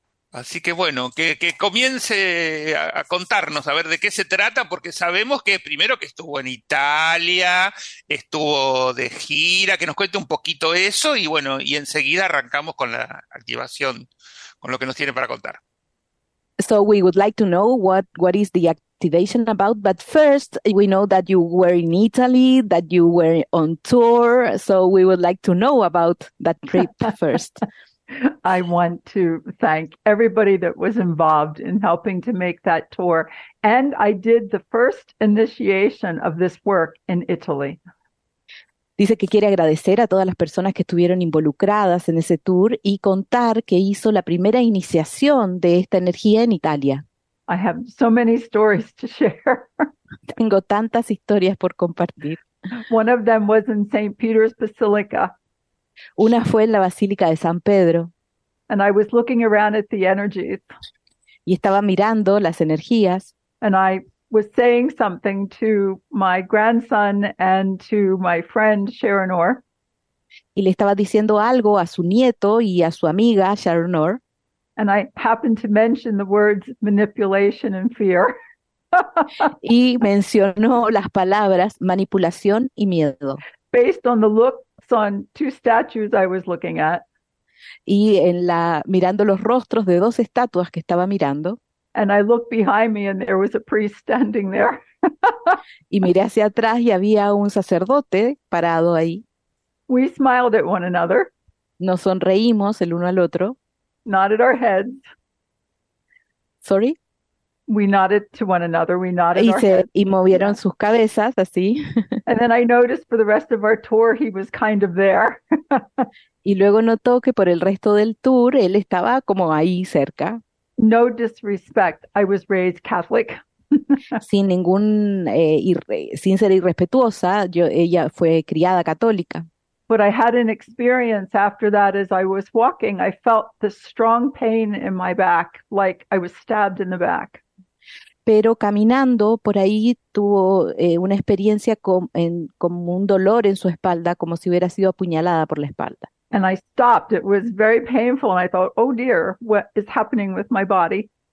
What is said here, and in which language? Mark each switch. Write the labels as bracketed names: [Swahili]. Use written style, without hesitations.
[Spanish] Así que bueno, que comience a contarnos a ver de qué se trata, porque sabemos que primero que estuvo en Italia, estuvo de gira, que nos cuente un poquito eso, y bueno, y enseguida arrancamos con la activación, con lo que nos tiene para contar. [English] So we would like to know what is the activation about, but first we know that you were in Italy, that you were on tour, so we would like to know about that trip first. I want to thank everybody that was involved in helping to make that tour. And I did the first initiation of this work in Italy. [Spanish] Dice que quiere agradecer a todas las personas que estuvieron involucradas en ese tour y contar que hizo la primera iniciación de esta energía en Italia. [English] I have so many stories to share. [Spanish] Tengo tantas historias por compartir. [English] One of them was in St. Peter's Basilica. [Spanish] Una fue en la Basílica de San Pedro. [English] And I was looking around at the energies. [Spanish] Y estaba mirando las energías. [English] And I was saying something to my grandson and to my friend Sharon Orr. [Spanish] Y le estaba diciendo algo a su nieto y a su amiga Sharon Orr. [English] And I happened to mention the words manipulation and fear. [Spanish] Y mencionó las palabras manipulación y miedo. [English] Based on the look on two statues I was looking at. [Spanish] Y en la mirando los rostros de dos estatuas que estaba mirando. [English] And I looked behind me and there was a priest standing there. [Spanish] Y miré hacia atrás y había un sacerdote parado ahí. [English] We smiled at one another. [Spanish] Nos sonreímos el uno al otro. [English] Nodded our heads. Sorry? We nodded to one another, we nodded [Spanish] Y movieron sus cabezas, así. [English] And then I noticed for the rest of our tour, he was kind of there. [Spanish] Y luego notó que por el resto del tour, él estaba como ahí cerca. [English] No disrespect, I was raised Catholic. [Spanish] Sin ningún, sin ser irrespetuosa, ella fue criada católica. [English] But I had an experience after that as I was walking, I felt the strong pain in my back, like I was stabbed in the back. [Spanish] pero caminando por ahí tuvo una experiencia con un dolor en su espalda, como si hubiera sido apuñalada por la espalda. [English] And I stopped. It was very painful. And I thought, oh dear, what is happening with my body?